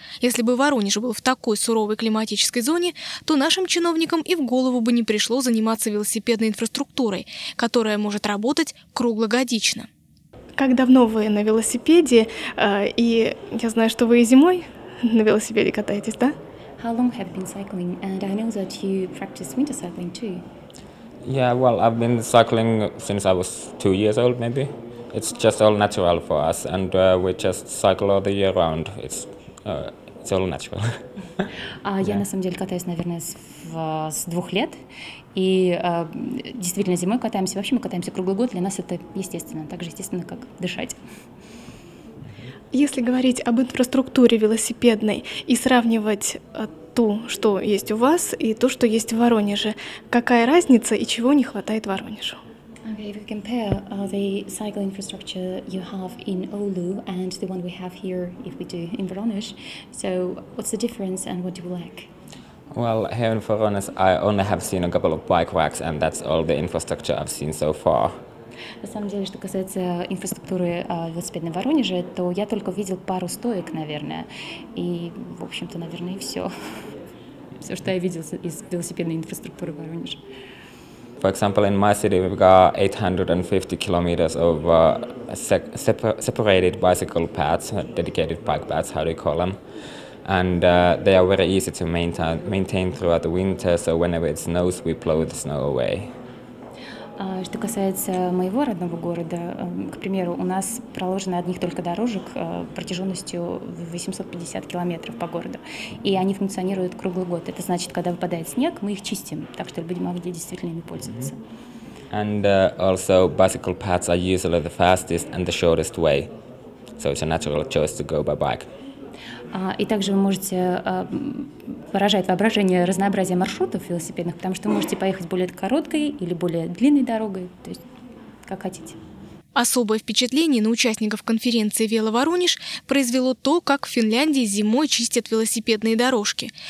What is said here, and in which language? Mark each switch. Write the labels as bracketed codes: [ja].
[ru] Если бы Воронеж был в такой суровой климатической зоне, то нашим чиновникам и в голову бы не пришло заниматься велосипедной инфраструктурой, которая может работать круглогодично. Как давно вы на велосипеде? И я знаю, что вы и зимой на велосипеде катаетесь, да? [en] How long have you been cycling? And I know that you practice winter cycling too. Yeah, well, I've been cycling since I was 2 years old, maybe. It's just all natural for us, and we just cycle all the year round. It's all natural. [ru] Я на самом деле катаюсь, наверное, с 2 лет, и действительно зимой катаемся. Вообще мы катаемся круглый год. Для нас это естественно, так же естественно, как дышать. Если говорить об инфраструктуре велосипедной и сравнивать то, что есть у вас, и то, что есть в Воронеже. Какая разница и чего не хватает Воронежу? [en] Okay, if we compare the cycle infrastructure you have in Oulu and the one we have here, if we do, in Voronezh, so what's the difference and what do you lack? Well, here in Voronezh I only have seen a couple of bike racks and that's all the infrastructure I've seen so far. [ru] На самом деле, что касается инфраструктуры велосипедной в Воронеже, то я только видел пару стоек, наверное, и, в общем-то, наверное, и все. Все, что я видел из велосипедной инфраструктуры в Воронеже. [en] For example, in my city we've got 850 kilometers of separated bicycle paths, dedicated bike paths, how do you call them? And they are very easy to maintain throughout the winter, so whenever it snows, we blow the snow away. [ru] Что касается моего родного города, к примеру, у нас проложено одних только дорожек протяженностью 850 километров по городу, и они функционируют круглый год. Это значит, когда выпадает снег, мы их чистим, так что будем могли действительно ими пользоваться. [en] And also bicycle paths are usually the fastest and the shortest way, so it's a natural choice to go by bike. [ru] И также вы можете поражать воображение разнообразие маршрутов велосипедных, потому что можете поехать более короткой или более длинной дорогой, то есть как хотите. Особое впечатление на участников конференции «Веловоронеж» произвело то, как в Финляндии зимой чистят велосипедные дорожки.